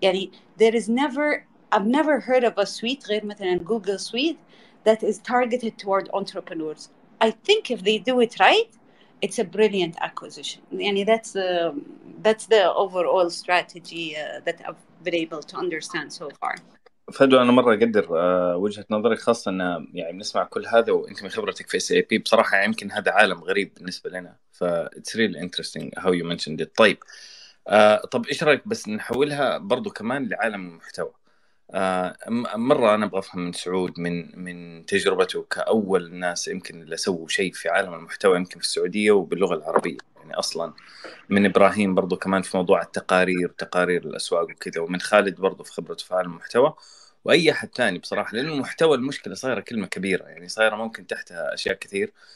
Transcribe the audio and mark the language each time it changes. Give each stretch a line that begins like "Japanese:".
English: يعني there is never, I've never heard of a suite
Arabic: غير مثلاً
English: Google suite that is targeted toward entrepreneurs. I think if they do it right, it's a brilliant acquisition. يعني that's the overall strategy that I've been able to understand so far.
Arabic: فهدو أنا مرة أقدر وجهة نظرك, خاصة أن يعني بنسمع كل هذا وأنت من خبرتك في SAP بصراحة يمكن هذا عالم غريب بالنسبة لنا.
English: ف it's really interesting how you mentioned it.
Arabic: طيب طب إيش رأيك بس نحولها برضو كمان لعالم المحتوى. مرة أنا أبغى أفهم من سعود من تجربته كأول ناس يمكن اللي سووا شيء في عالم المحتوى يمكن في السعودية وباللغة العربية, يعني أصلا من إبراهيم برضو كمان في موضوع التقارير وتقارير الأسواق وكذا, ومن خالد برضو في خبرته في عالم المحتوى, وأي حد تاني بصراحة, لأن المحتوى المشكلة صايرة كلمة كبيرة, يعني صايرة ممكن تحتها أشياء كثير.